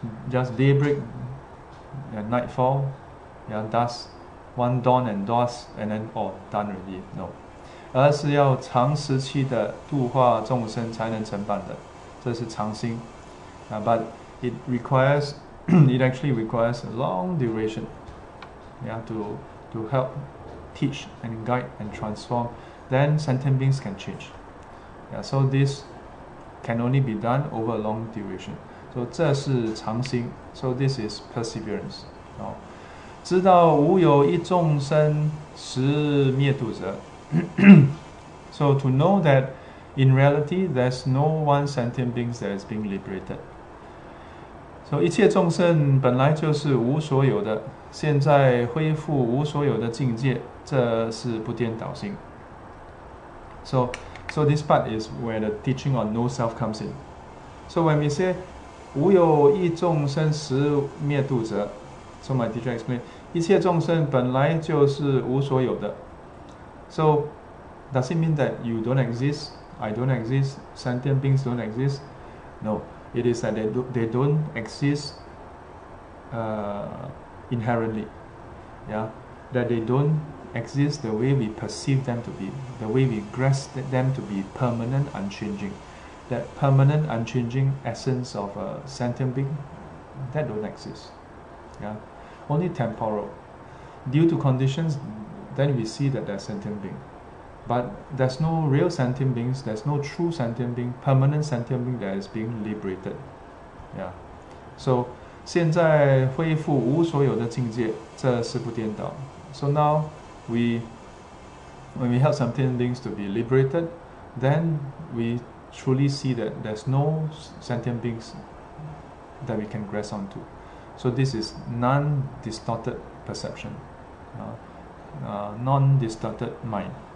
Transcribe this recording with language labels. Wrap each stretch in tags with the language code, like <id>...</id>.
<en>Just daybreak and nightfall, yeah, dusk, one dawn and dusk, and then all done already, no.</en> <zh>而是要长时期的度化众生才能成办的, 这是常心.</zh> <en>But it actually requires a long duration, to help teach and guide and transform. Then sentient beings can change. So this can only be done over a long duration. So</en> <zh>这是常心,</zh> <en>so this is perseverance.</en> <zh>知道无有一众生时灭度者.</zh> <en>So to know that in reality there's no one sentient beings that is being liberated.</en> <zh>So 一切众生本来就是无所有的, 现在恢复无所有的境界, 这是不颠倒心.</zh> <en>So this part is where the teaching on no self comes in. So when we say</en> <zh>无有一众生时灭度者,</zh> <en>so my teacher explained,</en> <zh>一切众生本来就是无所有的.</zh> <en>So does it mean that you don't exist, I don't exist, sentient beings don't exist? No, it is that they don't exist inherently. That they don't exist the way we perceive them to be, the way we grasp them to be permanent, unchanging. That permanent, unchanging essence of a sentient being, that don't exist. Only temporal. Due to conditions, then we see that they're sentient being. But there's no real sentient beings, there's no true sentient being, permanent sentient being that is being liberated.</en> <zh>So 现在恢复无所有的境界,这是不颠倒.</zh> <en>So now when we help sentient beings to be liberated, then we truly see that there's no sentient beings that we can grasp onto. So this is non-distorted perception, non-distorted mind.</en>